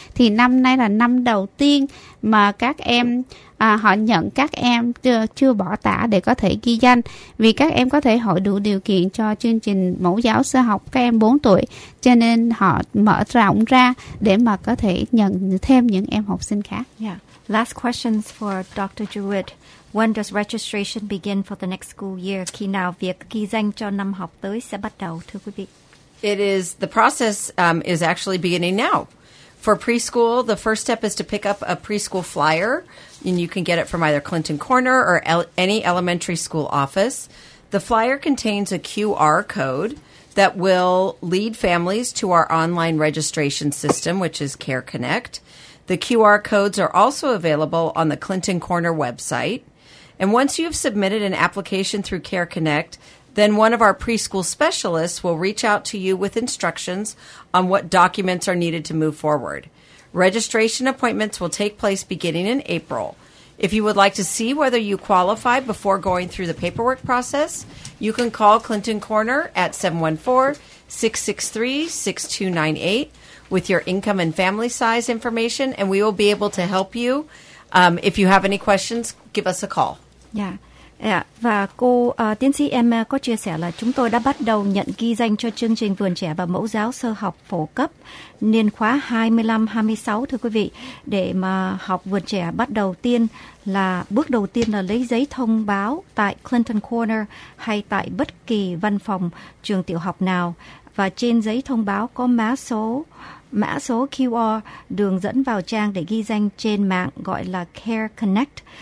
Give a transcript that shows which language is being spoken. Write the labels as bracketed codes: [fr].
[vi] Thì năm nay là năm đầu tiên mà các em họ nhận các em chưa bỏ tả để có thể ghi danh, vì các em có thể hội đủ điều kiện cho chương trình mẫu giáo sơ học các em 4 tuổi, cho nên họ mở rộng ra để mà có thể nhận thêm những em học sinh khác. [en] Yeah. Last questions for Dr. Jewett. When does registration begin for the next school year? [vi] Khi nào việc ghi danh cho năm học tới sẽ bắt đầu, thưa quý vị? [en] It is, the process is actually beginning now. For preschool, the first step is to pick up a preschool flyer, and you can get it from either Clinton Corner or any elementary school office. The flyer contains a QR code that will lead families to our online registration system, which is Care Connect. The QR codes are also available on the Clinton Corner website. And once you've submitted an application through Care Connect, then one of our preschool specialists will reach out to you with instructions on what documents are needed to move forward. Registration appointments will take place beginning in April. If you would like to see whether you qualify before going through the paperwork process, you can call Clinton Corner at 714-663-6298 with your income and family size information, and we will be able to help you. If you have any questions, give us a call. Yeah. Yeah. [vi] Và cô tiến sĩ em có chia sẻ là chúng tôi đã bắt đầu nhận ghi danh cho chương trình Vườn Trẻ và Mẫu Giáo Sơ Học Phổ Cấp niên khóa 25-26, thưa quý vị, để mà học Vườn Trẻ bắt đầu tiên là bước đầu tiên là lấy giấy thông báo tại Clinton Corner hay tại bất kỳ văn phòng trường tiểu học nào, và trên giấy thông báo có mã số QR đường dẫn vào trang để ghi danh trên mạng gọi là Care Connect.